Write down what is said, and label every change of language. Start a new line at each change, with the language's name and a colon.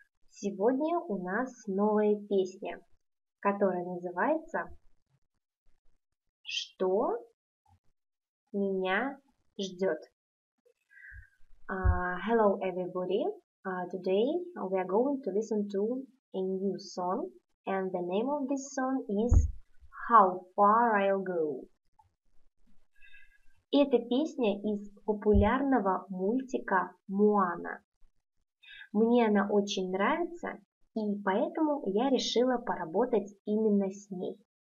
Russian: Сегодня у нас новая песня, которая называется «Что меня ждёт?».
English: Hello everybody! Today we are going to listen to a new song, and the name of this song is «How far I'll go?».
Russian: Эта песня из популярного мультика «Моана». Мне она очень нравится, и поэтому я решила поработать именно с ней.